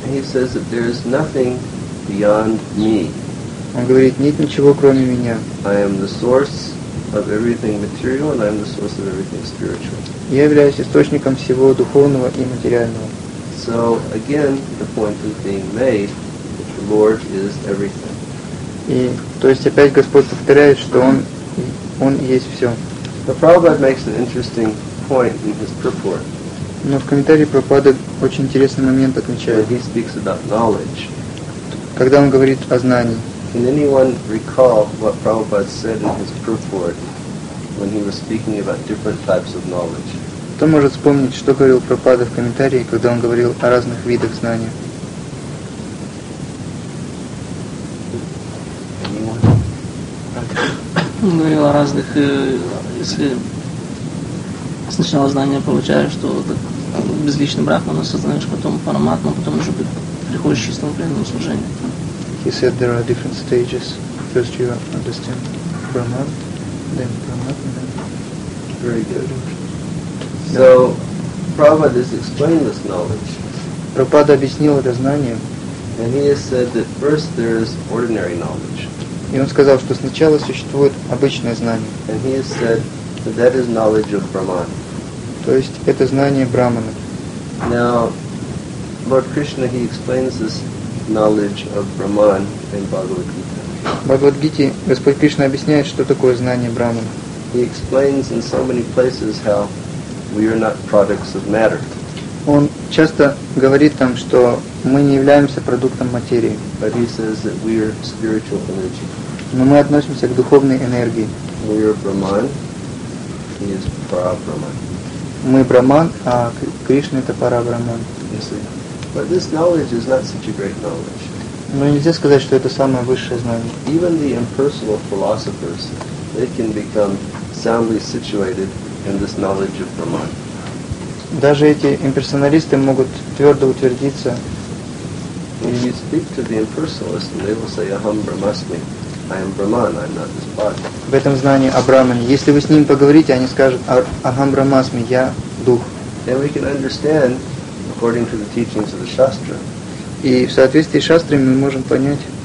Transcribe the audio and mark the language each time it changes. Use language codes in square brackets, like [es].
[en] He says that there is nothing beyond me. [ru] Он говорит, нет ничего кроме меня. [en] I am the source of everything material, and I am the source of everything spiritual. [ru] Я являюсь источником всего духовного и материального. [en] So again, the point is being made that the Lord is everything. [ru] И то есть опять Господь повторяет, что он есть все. [en] The Prabhupada makes an interesting point in his purport. [ru] Но в комментарии Прабхупада очень интересный момент отмечает. [en] He speaks about knowledge. [ru] Когда он говорит о знании. [en] Can anyone recall what Prabhupada said in his purport when he was speaking about different types of knowledge? [ru] Кто может вспомнить, что говорил Прабхупада в комментарии, когда он говорил о разных видах знания? Он говорил о разных, если сначала знания получаешь, то безличный брахман осознаешь, потом параматма, потом уже приходишь к чистому преданному служению. [en] He said there are different stages. First you understand Brahman, then Paramatma, then... Very good. So, Prabhupada has explained this knowledge. [ru] Prabhupada объяснил это знание. [en] And he has said that first there is ordinary knowledge. [ru] И он сказал, что сначала существует обычное знание. [en] And he has said that that is knowledge of Brahman. [ru] То есть, это знание Брахмана. [en] Now, Lord Krishna, he explains this knowledge of Brahman in Bhagavad Gita. [ru] Bhagavad Gita, Господь Кришна объясняет, что такое знание Брахмана. [en] He explains in so many places how we are not products of matter. [ru] Он часто говорит там, что мы не являемся продуктом материи. [en] But he says that we are spiritual energy. [ru] Но мы относимся к духовной энергии. [en] We are Brahman. He is Parabrahman. [ru] Мы Брахман, а Кришна это Парабрахман. [en] But this knowledge is not such a great knowledge. [ru] Но нельзя сказать, что это самое высшее знание. [en] Even the impersonal philosophers, they can become soundly situated in this knowledge of Brahman. [ru] Даже эти имперсоналисты могут твердо утвердиться. [en] When you speak to the impersonalist, they will say, [sa] "Aham Brahmasmi, [en] I am Brahman, I am not this body." [ru] В этом знании о Брахмане. Если вы с ним поговорите, они скажут, [sa] "Aham Brahmasmi, [ru] я дух." [en] Then we can understand. According to the teachings of the Shastra. [ru] И в соответствии с шастрами мы можем понять,